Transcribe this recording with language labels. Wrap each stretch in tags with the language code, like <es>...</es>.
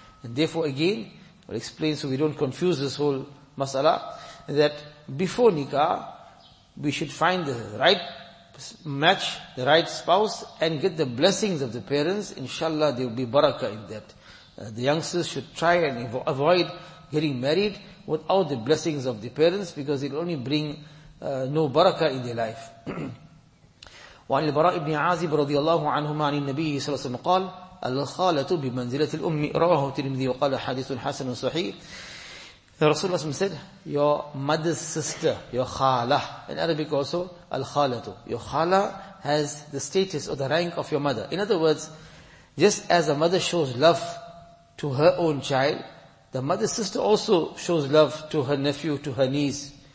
<en>And therefore again, we'll explain so we don't confuse this whole masala, that before nikah, we should find the right match, the right spouse, and get the blessings of the parents. Inshallah, there will be barakah in that. The youngsters should try and avoid getting married without the blessings of the parents, because it will only bring no barakah in their life.</en> <ar>وعن البراء بن عازب رضي الله عنهما عن النبي صلى الله عليه وسلم قال الخالة بمنزلة الأم. رواه الترمذي وقال حديث حسن صحيح.</ar> <en>The Rasulullah said, your mother's sister, your khala, in Arabic also, al-khalatu. Your khala has the status or the rank of your mother. In other words, just as a mother shows love to her own child, the mother's sister also shows love to her nephew, to her niece.</en>